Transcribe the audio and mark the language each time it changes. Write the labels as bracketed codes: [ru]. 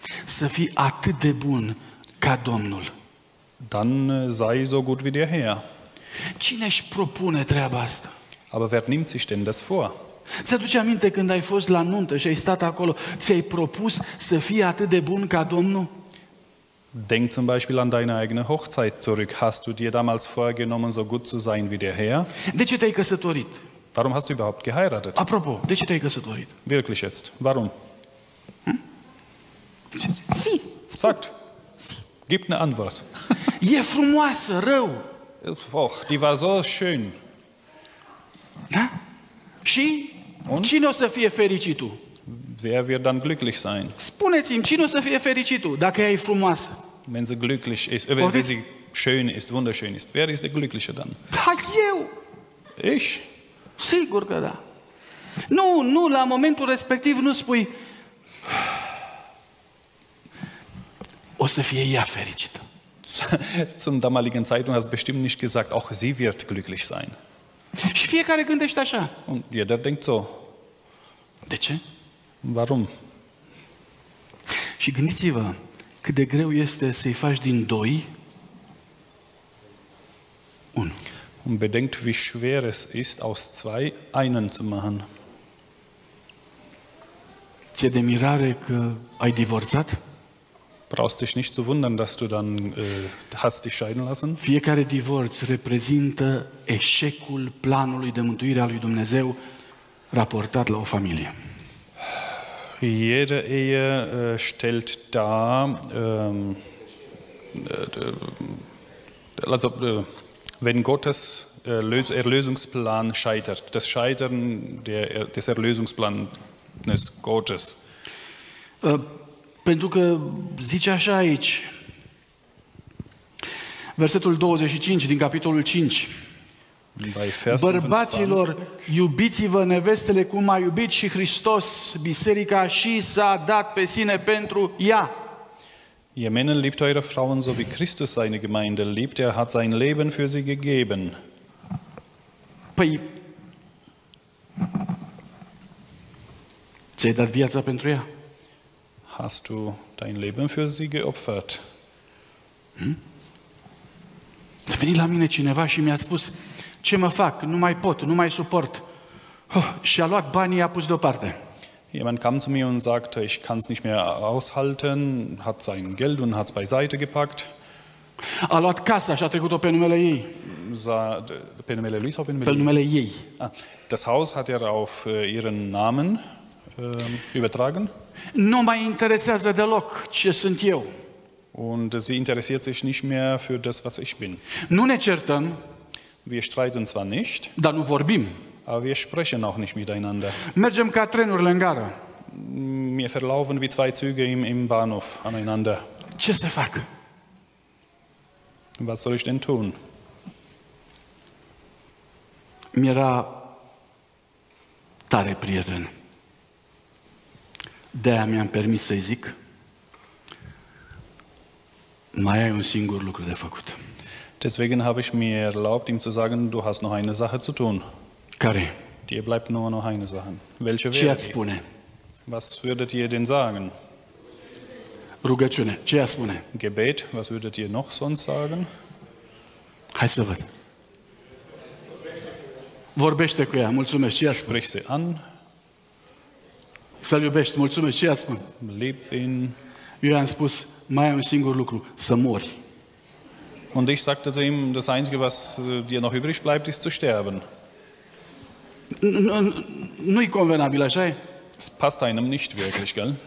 [ro] Să fii atât de bun ca Domnul. [de] Dann sei so gut wie der Herr. [ro] Cine își propune treaba asta? [de] Aber wer nimmt sich denn das vor? [ro] Ți-aduce aminte când ai fost la nuntă și ai stat acolo, ți-ai propus să fii atât de bun ca Domnul? [de] Denk zum Beispiel an deine eigene Hochzeit zurück. Hast du dir damals vorgenommen, so gut zu sein wie der Herr? [ro] De ce te-ai căsătorit? [de] Warum hast du überhaupt geheiratet? [ro] Apropo, de ce te-ai căsătorit? [de] Wirklich jetzt, warum? [ro] Si. [de] Sagt. Gib eine Antwort. [ro] E frumoasă, rău. [de] Oh, die war so schön. [ro] Da? Și? [de] Und? [ro] Cine o să fie fericitul? [de] Wer wird dann glücklich sein? [ro] Spuneți-mi, cine o să fie fericitul, dacă ea e frumoasă? [de] Wenn sie glücklich ist, wenn sie schön ist, wunderschön ist, wer ist der Glückliche dann? [ro] Da, eu. [de] Ich? [ro] Sigur că da. Nu, nu, la momentul respectiv nu spui... O să fie ea fericită. [de] Zum damaligen Zeitpunkt hast bestimmt nicht gesagt, auch sie wird glücklich sein. [ro] Și fiecare gândește așa. [de] Und jeder denkt so. [ro] De ce? [de] Warum? [ro] Și gândiți-vă cât de greu este să-i faci din doi unu. [de] Und bedenkt, wie schwer es ist, aus zwei einen zu machen. [ro] Ce de mirare că ai divorțat? [de] Brauchst dich nicht zu wundern, dass du dann hast dich scheiden lassen. [ro] Fiecare divorț reprezintă eșecul planului de mântuire al lui Dumnezeu raportat la o familie. [de] Jede Ehe stellt da also wenn Gottes Erlösungsplan scheitert, das Scheitern des Erlösungsplans Gottes. [ro] Pentru că zice așa aici, versetul 25 din capitolul 5. Bărbaților, iubiți-vă nevestele cum a iubit și Hristos biserica și s-a dat pe sine pentru ea. [de] Ihr Männer, liebt eure Frauen so wie Christus seine Gemeinde liebt, er hat sein Leben für sie gegeben. [ro] Păi, ți-ai dat viața pentru ea? [de] Hast du dein Leben für sie geopfert? [ro] A venit la mine cineva și mi-a spus: "Ce mă fac? Nu mai pot, nu mai suport. Și a luat banii, i-a pus deoparte. [de] Jemand kam zu mir und sagte, ich kann es nicht mehr aushalten, hat sein Geld und hat's beiseite gepackt. [ro] A luat casa și a trecut-o pe numele ei. Pe numele lui sau pe numele ei? Pe numele ei. [de] Das Haus hat er auf ihren Namen übertragen. [ro] Nu mai interesează deloc ce sunt eu. [de] Und sie interessiert sich nicht mehr für das, was ich bin. [ro] Nu ne certăm. [de] Wir streiten zwar nicht. [ro] Dar nu vorbim. [de] Aber wir sprechen auch nicht miteinander. [ro] Mergem ca trenurile în gară. [de] Wir verlaufen wie zwei Züge im Bahnhof aneinander. [ro] Ce să fac? [de] Was soll ich denn tun? [ro] Mi-era tare prieten. De-aia mi-am permis să-i zic, mai ai un singur lucru de făcut. [de] Deswegen habe ich mir erlaubt, ihm zu sagen, du hast noch eine Sache zu tun. [ro] Care? [de] Dir bleibt nur noch eine Sache. Welche wäre? [ro] Ce ați spune? [de] Was würdet ihr denn sagen? [ro] Rugăciune. Ce ați spune? [de] Gebet. Was würdet ihr noch sonst sagen? [ro] Hai să văd. Vorbește cu ea. Mulțumesc. Ce ați spune? [de] Sprich sie an. [ro] Să-l iubești. Mulțumesc. Ce ați spune? [de] Lieb ihn. [ro] Eu i-am spus, mai am un singur lucru, să mori. [de] Und ich sagte zu ihm, das Einzige, was dir noch übrig bleibt, ist zu sterben. [ro] Nu-i convenabil, așa e? [de] Es passt einem nicht wirklich, gell?